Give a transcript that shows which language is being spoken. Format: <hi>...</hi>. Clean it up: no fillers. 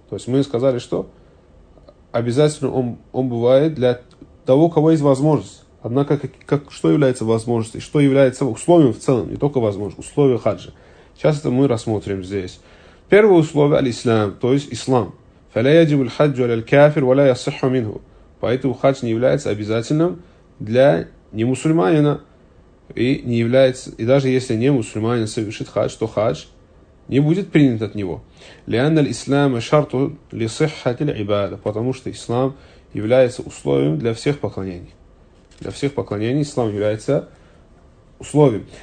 <ru>То есть мы сказали, что обязательным он бывает для того, у кого есть возможность. Однако, что является возможностью, что является условием в целом, не только возможностью, условием хаджа. Сейчас это мы рассмотрим здесь. Первое условие – аль-ислам, то есть ислам.</ru> <ar>فَلَا يَجِبُ الْحَجُّ عَلَى الْكَافِرِ وَلَا يَصِحُ مِنْهُ.</ar> <ru>Поэтому хадж не является обязательным для немусульманина. и не является, и даже если не мусульманин совершит хадж, то хадж не будет принят от него.</ru> <ar>Лианна ль-ислам шарту ли-сиххати ль-ибада,</ar> <ru>потому что ислам является условием для всех поклонений. Для всех поклонений ислам является условием.</ru>